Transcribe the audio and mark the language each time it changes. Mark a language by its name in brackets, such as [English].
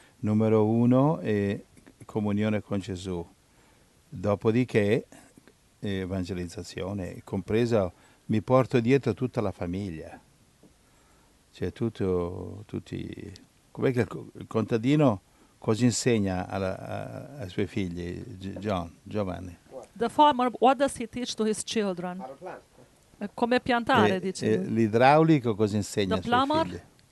[Italian] Numero uno è comunione con Gesù, dopodiché evangelizzazione, compresa mi porto dietro tutta la famiglia, cioè tutti, com'è che il contadino cosa insegna ai suoi figli, Giovanni? [English] The farmer, what does he teach to his children? [Italian] Come piantare, dice. L'idraulico cosa insegna ai suoi figli?